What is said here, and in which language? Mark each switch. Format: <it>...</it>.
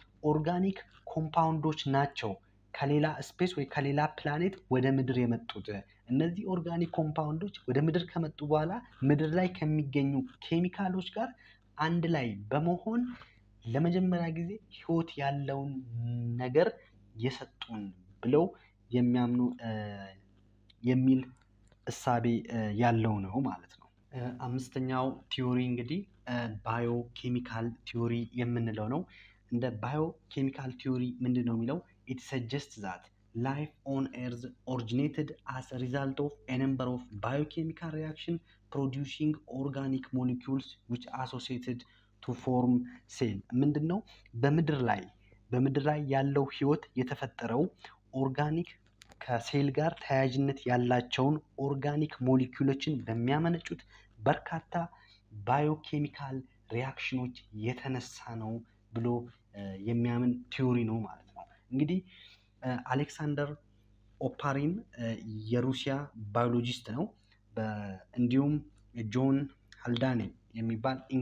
<am>ኦርጋኒክ ኮምፓውንዶች ናቸው ከሌላ ስፔስ ወይ ከሌላ ፕላኔት ወደ ምድር የመጡት። እነዚህ ኦርጋኒክ ኮምፓውንዶች ወደ ምድር ከመጡ በኋላ ምድር ላይ ከሚገኙ ኬሚካሎች ጋር አንድ ላይ በመሆን ለመጀመሪያ ጊዜ ህይወት ያለውን ነገር የሰጡን ብለው የሚያምኑ የሚል እሳቤ ያለው ነው ማለት ነው። አምስተኛው ቲዮሪ እንግዲህ ባዮ ኬሚካል ቲዮሪ የምንለው ነው። እንደ ባዮ ኬሚካል ቲዮሪ ምንድን ነው የሚለው?</am> <en>It suggests that life on Earth originated as a result of a number of biochemical reactions producing organic molecules which associated to form cell.</en> <am>ምንድነው? በምድር ላይ ያለው ህይወት የተፈጠረው ኦርጋኒክ ከሴል ጋር ተያያዥነት ያላቸውን ኦርጋኒክ ሞለኪውሎችን በሚያመነጩት በርካታ ባዮኬሚካል ሪአክሽኖች የተነሳ ነው ብሎ የሚያምን ቲዮሪ ነው ማለት ነው። እንግዲህ አሌክሳንደር ኦፓሪን የሩሲያ ባዮሎጂስት ነው። እንዲሁም ጆን ሃልዳኔ የሚባል</am>